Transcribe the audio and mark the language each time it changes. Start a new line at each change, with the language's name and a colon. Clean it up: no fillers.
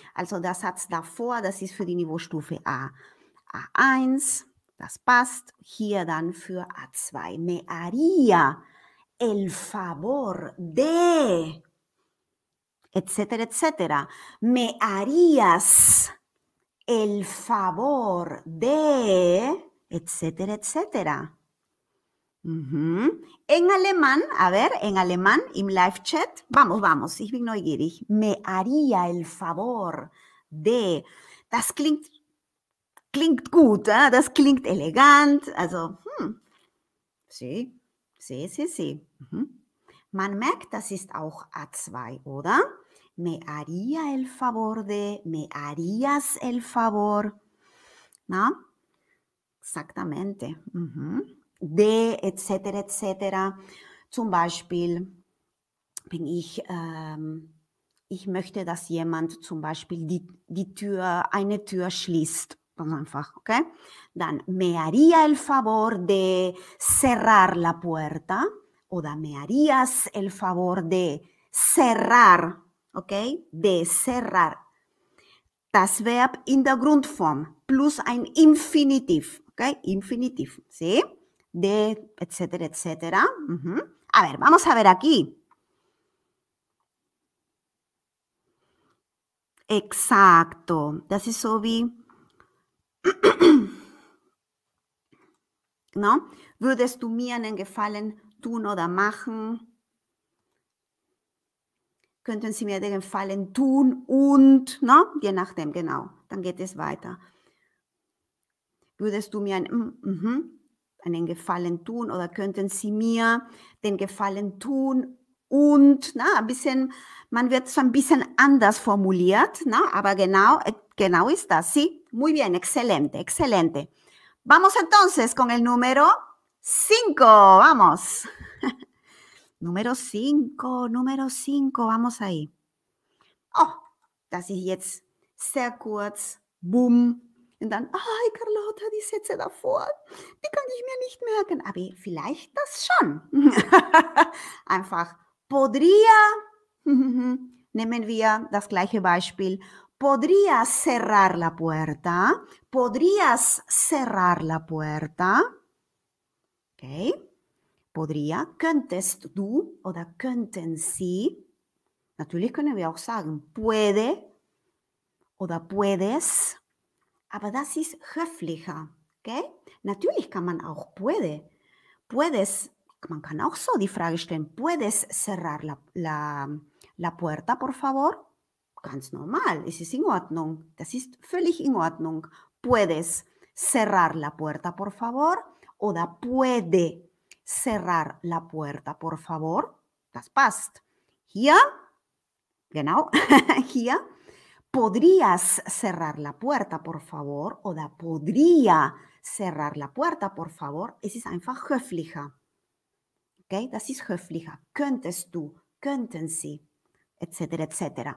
German: Also der Satz davor, das ist für die Niveaustufe A. A1. Das passt hier dann für A2.
Spanish: Me haría el favor de, etc., etc. Me harías el favor de, etc., etc. Mhm. En alemán, a ver, en alemán,
German: im Live-Chat.
Spanish: Vamos, vamos,
German: ich bin neugierig.
Spanish: Me haría el favor de.
German: Das klingt... Klingt gut, das klingt elegant, also Sí. Man merkt, das ist auch A2, oder?
Spanish: Me haría el favor de, me harías el favor. Na? Exactamente. De, etc., etc.
German: Zum Beispiel, bin ich, ich möchte, dass jemand zum Beispiel die Tür, eine Tür schließt. Ganz einfach, okay?
Spanish: Dann, me haría el favor de cerrar la puerta. Oder me harías el favor de cerrar, okay? De cerrar.
German: Das Verb in der Grundform plus ein Infinitiv, okay?
Spanish: Infinitiv, sí? De, etc., etc. A ver, vamos a ver aquí. Exacto.
German: Das ist so wie.
Spanish: No?
German: Würdest du mir einen Gefallen tun oder machen? Könnten Sie mir den Gefallen tun und, no? Je nachdem, genau. Dann geht es weiter. Würdest du mir einen Gefallen tun oder könnten Sie mir den Gefallen tun und, na, ein bisschen, man wird so ein bisschen anders formuliert, na, aber genau ist das, sí.
Spanish: Muy bien, excelente, excelente. Vamos entonces con el número 5, vamos. Número 5, número 5, vamos ahí.
German: Oh, das ist jetzt sehr kurz, boom. Und dann, ay, Carlota, die Sätze davor, die kann ich mir nicht merken. Aber vielleicht das schon.
Spanish: Einfach, podría,
German: nehmen wir das gleiche Beispiel,
Spanish: podrías cerrar la puerta, podrías cerrar la puerta.
German: Okay, podría, könntest du oder könnten sie. Natürlich können wir auch sagen, puede oder puedes. Aber das ist höflicher, okay? Natürlich kann man auch puede. Puedes, man kann auch so die Frage stellen,
Spanish: puedes cerrar la puerta, por favor?
German: Ganz normal, es ist in Ordnung. Das ist völlig in Ordnung.
Spanish: Puedes cerrar la puerta, por favor? Oder puede cerrar la puerta, por favor?
German: Das passt. Hier, genau, hier.
Spanish: ¿Podrías cerrar la puerta, por favor? O da, ¿podría cerrar la puerta, por favor?
German: Es ist einfach höflicher. Okay, das ist höflicher. Könntest du, könnten sie, etc., etc.